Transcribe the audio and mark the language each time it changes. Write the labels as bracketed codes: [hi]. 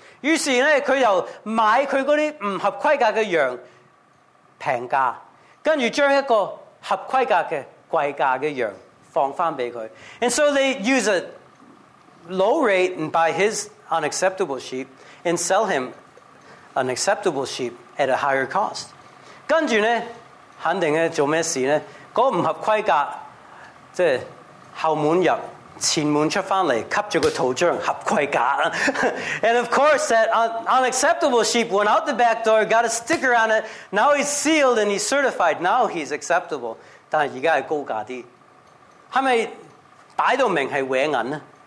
[yue] 於是咧，佢又買佢嗰啲唔合規格嘅羊平價，跟住將一個合規格嘅貴價嘅羊放翻俾佢。 [en] And so they use a low rate and buy his unacceptable sheep and sell him an acceptable sheep. At a higher cost. [yue] 跟住呢，肯定呢，做咩事呢？嗰唔合規格，即係後門入，前門出返嚟，吸住個頭像，合規格。 [en] And of course, that unacceptable sheep went out the back door, got a sticker on it, now he's sealed and he's certified, now he's acceptable. [yue] 但係而家係高價啲。係咪擺到明係搲銀呢？